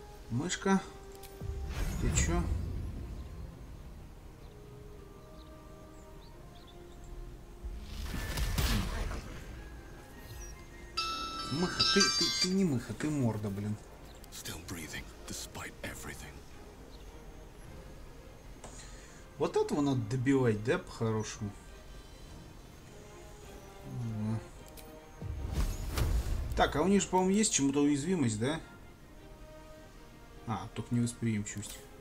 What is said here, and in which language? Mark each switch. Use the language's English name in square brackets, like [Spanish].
[Russian] Мышка, ты чё? Мыха, ты не мыха, ты морда, блин. [English] Still breathing, despite everything. [Russian] Вот этого надо добивать, да, по-хорошему? Да. Так, а у них же, по-моему, есть чему-то уязвимость, да? А, только невосприимчивость.